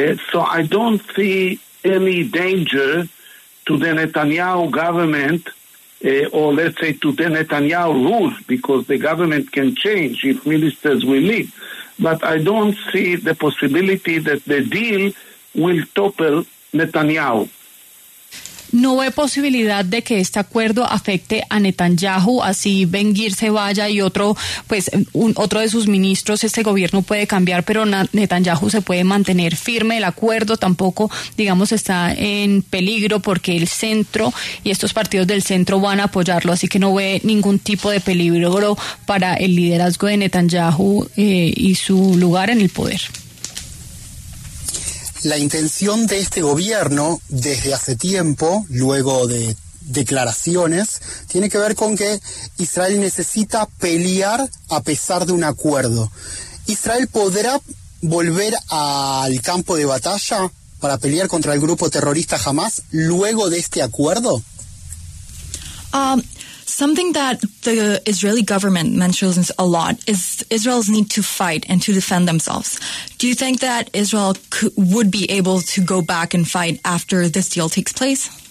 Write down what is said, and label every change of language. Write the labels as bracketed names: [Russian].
[English] So I don't see any danger to the Netanyahu government, or let's say to the Netanyahu rule, because the government can change if ministers will leave. But I don't see the possibility that the deal will topple Netanyahu. [Spanish] No ve posibilidad de que este acuerdo afecte a Netanyahu, así Ben-Gvir se vaya y otro, pues, otro de sus ministros, este gobierno puede cambiar, pero Netanyahu se puede mantener firme. El acuerdo tampoco, digamos, está en peligro porque el centro y estos partidos del centro van a apoyarlo, así que no ve ningún tipo de peligro para el liderazgo de Netanyahu y su lugar en el poder. La intención de este gobierno desde hace tiempo, luego de declaraciones, tiene que ver con que Israel necesita pelear a pesar de un acuerdo. ¿Israel podrá volver al campo de batalla para pelear contra el grupo terrorista Hamas luego de este acuerdo? [English] Something that the Israeli government mentions a lot is Israel's need to fight and to defend themselves. Do you think that Israel would be able to go back and fight after this deal takes place?